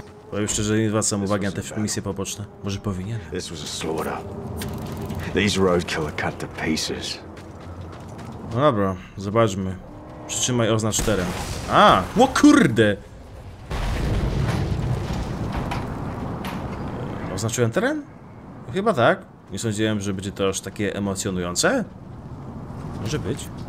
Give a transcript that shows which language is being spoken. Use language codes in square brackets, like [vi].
[pl] Powiem szczerze, nie zwracam uwagi na te misje poboczne. Może powinien? [en] This was a slaughter. These roadkill are cut to pieces. [pl] No dobra, zobaczmy. Przytrzymaj oznacz teren. A! O kurde! Oznaczyłem teren? Chyba tak. Nie sądziłem, że będzie to aż takie emocjonujące. Może być.